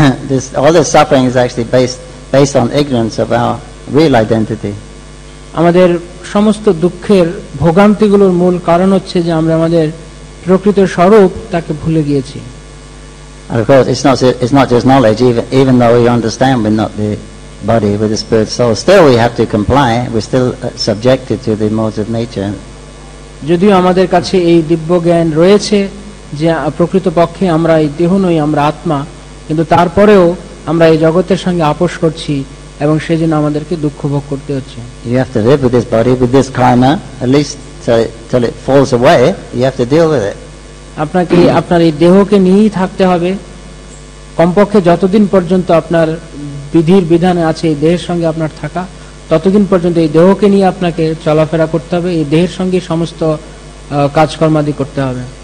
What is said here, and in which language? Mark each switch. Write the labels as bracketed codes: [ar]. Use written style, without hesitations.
[en] This all this suffering is actually based on ignorance of our real identity. [bn] আমাদের সমস্ত দুঃখের ভোগান্তিগুলোর মূল কারণ হচ্ছে যে আমরা আমাদের প্রকৃত স্বরূপ তাকে ভুলে গিয়েছি. [en] And of course, it's not just knowledge. Even though we understand we're not the body, we're the spirit soul, still we have to comply. We're still subjected to the modes of nature. [bn] যদিও আমাদের কাছে এই দিব্য জ্ঞান রয়েছে যে প্রকৃতপক্ষে আমরা এই দেহ নই, আমরা আত্মা, কিন্তু তারপরেও আমরা এই জগতের সঙ্গে আপোষ করছি এবং সেই জন্য আমাদেরকে দুঃখ ভোগ করতে হচ্ছে. [en] You have to live with this body, with this karma, at least till it falls away. You have to deal with it. [bn] আপনাকে আপনার এই দেহকে নিয়েই থাকতে হবে কমপক্ষে যতদিন পর্যন্ত আপনার বিধির বিধানে আছে এই দেহের সঙ্গে আপনার থাকা, ততদিন পর্যন্ত এই দেহকে নিয়ে আপনাকে চলাফেরা করতে হবে, এই দেহের সঙ্গে সমস্ত কাজকর্মাদি করতে হবে.